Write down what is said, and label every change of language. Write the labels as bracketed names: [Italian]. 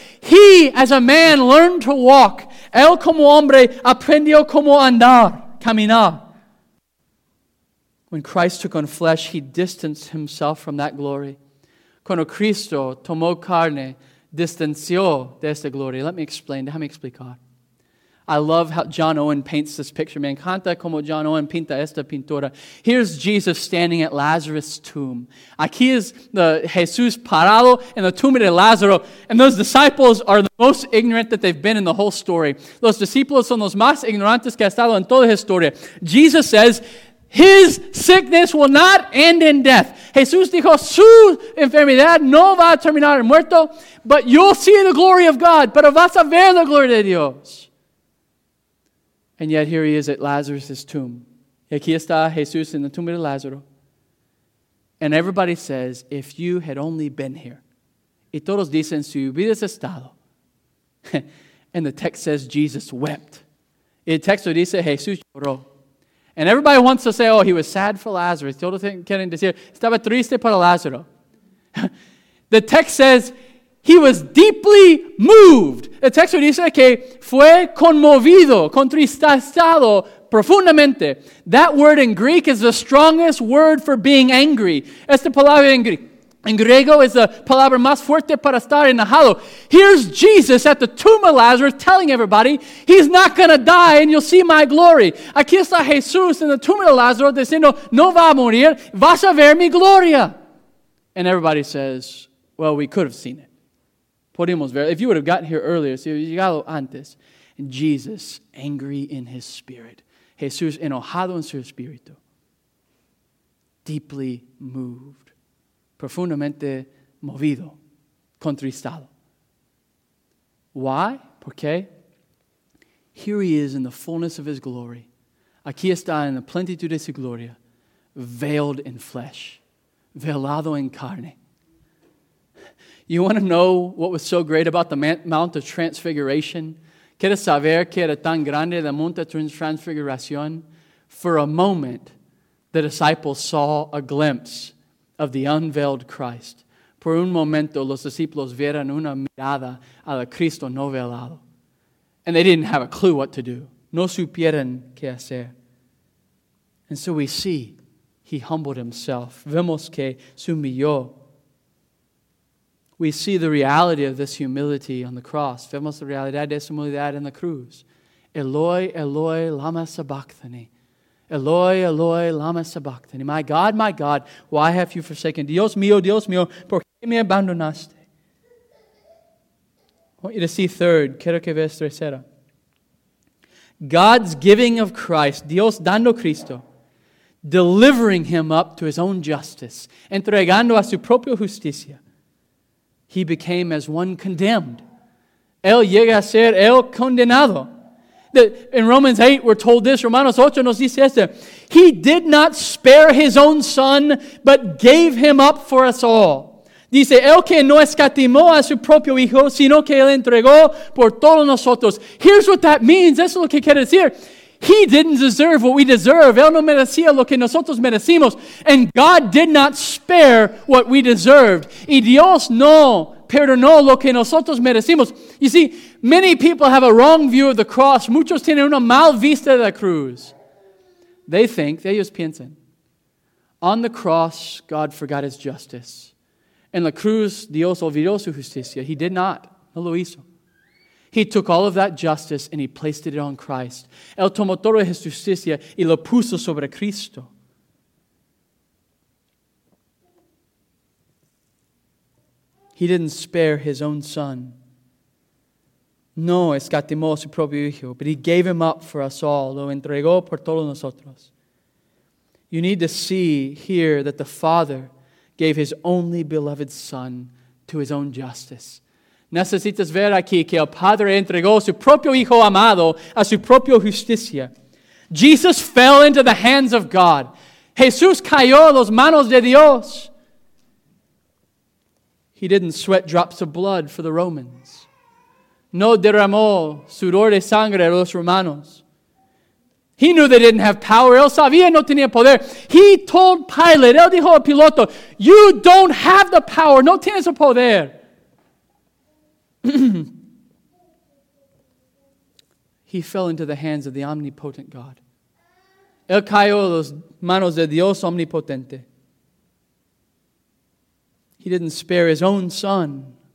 [English] He, as a man, learned to walk. [Spanish] Él como hombre aprendió cómo andar, caminar. [English] When Christ took on flesh, he distanced himself from that glory. [Spanish] Cuando Cristo tomó carne, distanció de esta gloria. [English] Let me explain. [Spanish] Déjame explicar. [English] I love how John Owen paints this picture. [Spanish] Me encanta como John Owen pinta esta pintura. [English] Here's Jesus standing at Lazarus' tomb. [Spanish] Aquí es Jesús parado en la tumba de Lázaro. [English] And those disciples are the most ignorant that they've been in the whole story. [Spanish] Los discípulos son los más ignorantes que ha estado en toda la historia. [English] Jesus says, his sickness will not end in death. [Spanish] Jesús dijo, su enfermedad no va a terminar en muerto, [English] but you'll see the glory of God. [Spanish] Pero vas a ver la gloria de Dios. [English] And yet here he is at Lazarus' tomb. [Spanish] Y aquí está Jesús en la tumba de Lázaro. [English] And everybody says, if you had only been here. [Spanish] Y todos dicen, si hubieras estado. [English] And the text says, Jesus wept. [Spanish] Y el texto dice, Jesús lloró. [English] And everybody wants to say, oh, he was sad for Lazarus. [Spanish] Todos quieren decir, estaba triste para Lázaro. [English] The text says, he was deeply moved. [Spanish] El texto dice que fue conmovido, contristado profundamente. [English] That word in Greek is the strongest word for being angry. [Spanish] Esta palabra en griego es la palabra más fuerte para estar enojado. [English] Here's Jesus at the tomb of Lazarus telling everybody, he's not going to die and you'll see my glory. [Spanish] Aquí está Jesús en la tumba de Lázaro diciendo, no va a morir, vas a ver mi gloria. [English] And everybody says, well, we could have seen it. If you would have gotten here earlier, [Spanish] si hubiera llegado antes, [English] Jesus, angry in his spirit. [Spanish] Jesús, enojado en su espíritu. [English] Deeply moved. [Spanish] Profundamente movido. Contristado. [English] Why? [Spanish] ¿Por qué? [English] Here he is in the fullness of his glory. [Spanish] Aquí está en la plenitud de su gloria. [English] Veiled in flesh. [Spanish] Velado en carne. [English] You want to know what was so great about the Mount of Transfiguration? [Spanish] ¿Quieres saber qué era tan grande la Monte Transfiguración? [English] For a moment, the disciples saw a glimpse of the unveiled Christ. [Spanish] Por un momento, los discípulos vieron una mirada a la Cristo no velado. [English] And they didn't have a clue what to do. [Spanish] No supieron qué hacer. [English] And so we see he humbled himself. [Spanish] Vemos que se humilló. [English] We see the reality of this humility on the cross. [Spanish] Vemos la realidad de esa humildad en la cruz. [Aramaic] Eloi, Eloi, lama sabachthani. Eloi, Eloi, lama sabachthani. [English] My God, why have you forsaken? [Spanish] Dios mío, ¿por qué me abandonaste? [English] I want you to see third. [Spanish] Quiero que veas tercera. [English] God's giving of Christ, [Spanish] Dios dando Cristo, [English] delivering him up to his own justice, [Spanish] entregando a su propia justicia. [English] He became as one condemned. [Spanish] Él llega a ser el condenado. [English] In Romans 8, we're told this. [Spanish] Romanos 8 nos dice esto. [English] He did not spare his own son, but gave him up for us all. [Spanish] Dice, el que no escatimó a su propio hijo, sino que él entregó por todos nosotros. [English] Here's what that means. [Spanish] Eso es lo que quiere decir. [English] He didn't deserve what we deserve. [Spanish] Él no merecía lo que nosotros merecimos. [English] And God did not spare what we deserved. [Spanish] Y Dios no perdonó lo que nosotros merecimos. [English] You see, many people have a wrong view of the cross. [Spanish] Muchos tienen una mal vista de la cruz. [English] They think, [Spanish] ellos piensan, [English] on the cross, God forgot his justice. [Spanish] En la cruz, Dios olvidó su justicia. [English] He did not. No lo hizo. He took all of that justice and he placed it on Christ. [Spanish] Él tomó toda su justicia y lo puso sobre Cristo. [English] He didn't spare his own son. [Spanish] No escatimó su propio hijo, [English] but he gave him up for us all. [Spanish] Lo entregó por todos nosotros. [English] You need to see here that the Father gave his only beloved son to his own justice. [Spanish] Necesitas ver aquí que el Padre entregó su propio hijo amado a su propia justicia. [English] Jesus fell into the hands of God. [Spanish] Jesús cayó a las manos de Dios. [English] He didn't sweat drops of blood for the Romans. [Spanish] No derramó sudor de sangre a los romanos. [English] He knew they didn't have power. [Spanish] Él sabía no tenía poder. [English] He told Pilate, [Spanish] él dijo al piloto, [English] you don't have the power, [Spanish] no tienes el poder. [English] He fell into the hands of the omnipotent God. [Spanish] Él cayó a las manos de Dios omnipotente. [English] He didn't spare his own son.